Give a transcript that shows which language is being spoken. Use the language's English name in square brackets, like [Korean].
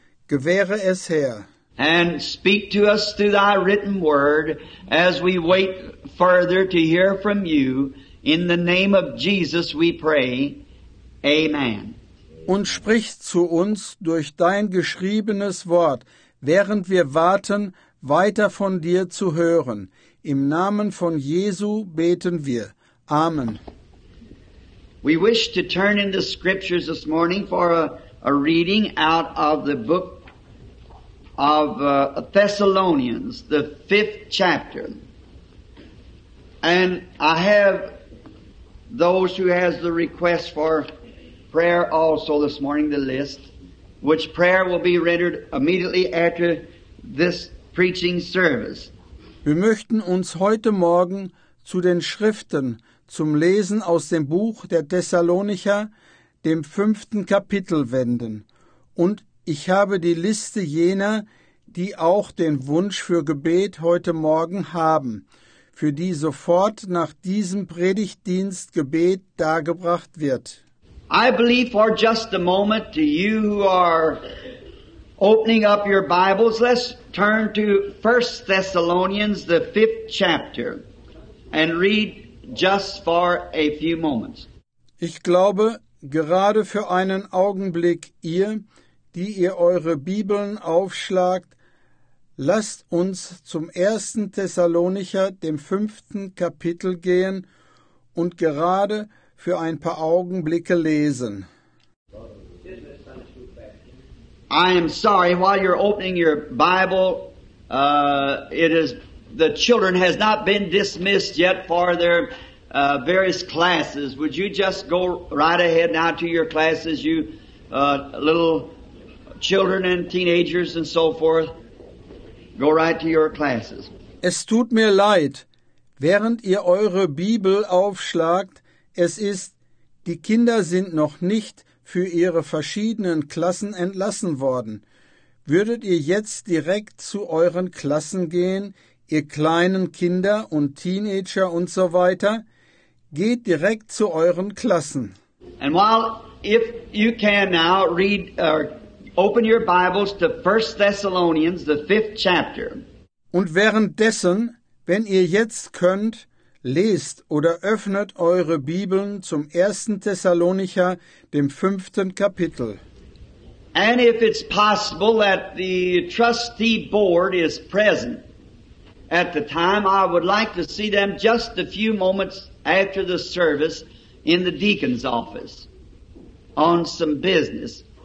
[German] Gewähre es, Herr. [English] And speak to us through thy written word as we wait further to hear from you. In the name of Jesus we pray. Amen. [German] Und sprich zu uns durch dein geschriebenes Wort, während wir warten, weiter von dir zu hören. Im Namen von Jesu beten wir. Amen. [English] We wish to turn in the scriptures this morning for a reading out of the book of Thessalonians, the 5th chapter. And I have those who has the request for prayer also this morning, the list, which prayer will be rendered immediately after this preaching service. [German] Wir möchten uns heute Morgen zu den Schriften zum Lesen aus dem Buch der Thessalonicher, dem 5. Kapitel, wenden. Und ich habe die Liste jener, die auch den Wunsch für Gebet heute Morgen haben, für die sofort nach diesem Predigtdienst Gebet dargebracht wird. [English] I believe for just a moment to you who are opening up your Bibles, let's turn to 1 Thessalonians, the 5th chapter, and read just for a few moments. [German] Ich glaube, gerade für einen Augenblick, ihr, die ihr eure Bibeln aufschlagt, lasst uns zum 1. Thessalonicher, dem 5. Kapitel, gehen und gerade für ein paar Augenblicke lesen. [English] I am sorry, while you're opening your Bible, it is the children has not been dismissed yet for their various classes. Would you just go right ahead now to your classes, you little children and teenagers and so forth? Go right to your classes. [German] Es tut mir leid, während ihr eure Bibel aufschlagt, es ist, die Kinder sind noch nicht für ihre verschiedenen Klassen entlassen worden. Würdet ihr jetzt direkt zu euren Klassen gehen, ihr kleinen Kinder und Teenager und so weiter? Geht direkt zu euren Klassen. [English] And while if you can now read open your Bibles to 1 Thessalonians, the 5th chapter. [German] Und währenddessen, wenn ihr jetzt könnt, lest oder öffnet eure Bibeln zum 1. Thessalonicher, dem 5. Kapitel. [English] And if it's possible that the trustee board is present at the time, I would like to see them just a few moments after the service in the deacon's office on some business.